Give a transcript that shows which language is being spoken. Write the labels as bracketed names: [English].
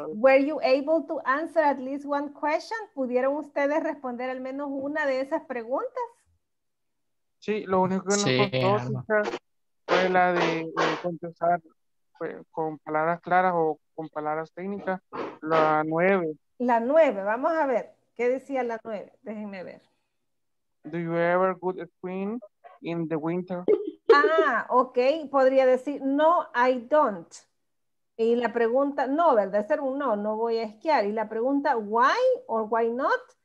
[English] Were you able to answer at least one question? [Spanish] ¿Pudieron ustedes responder al menos una de esas preguntas? Sí, lo único que nos costó fue la de contestar con palabras claras o con palabras técnicas, la 9. La 9, vamos a ver. ¿Qué decía la 9? Déjenme ver. [English] Do you ever go swimming in the winter? [Spanish] Ah, ok. Podría decir, [English] no, I don't. [Spanish] Y la pregunta, no, ¿verdad? Ser un no, no voy a esquiar. Y la pregunta, [English] why or why not?